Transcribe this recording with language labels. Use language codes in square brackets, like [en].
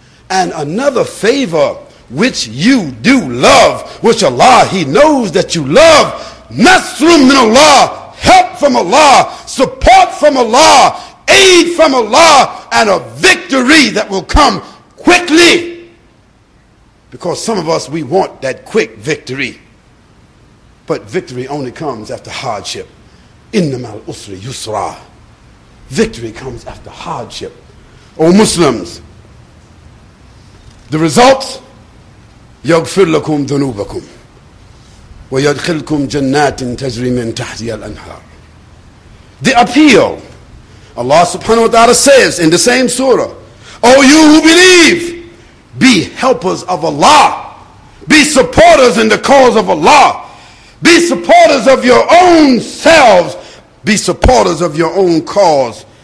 [en] And another favor which you do love, which Allah, He knows that you love, [ar] nasrun min Allah, [en] help from Allah, support from Allah, aid from Allah, and a victory that will come quickly. Because some of us, we want that quick victory. But victory only comes after hardship. [ar] Innama al-usri yusra. [en] Victory comes after hardship. O Muslims, the result, [ar] يَغْفِرْ لَكُمْ ذُنُوبَكُمْ وَيَدْخِلْكُمْ جَنَّاتٍ تَجْرِي مِنْ تَحْتِيَ الْأَنْهَارِ. [en] The appeal, Allah subhanahu wa ta'ala says in the same surah, O you who believe, be helpers of Allah, be supporters in the cause of Allah, be supporters of your own selves, be supporters of your own cause.